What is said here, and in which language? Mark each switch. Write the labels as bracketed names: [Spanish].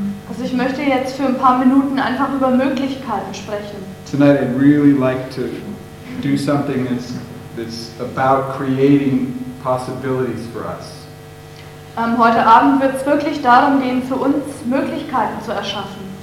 [German] Also ich möchte jetzt für ein paar Minuten einfach über Möglichkeiten sprechen. [English] Tonight I'd really like to do something that's about creating possibilities for us. [German] Heute Abend wird es wirklich darum gehen, für uns Möglichkeiten zu erschaffen.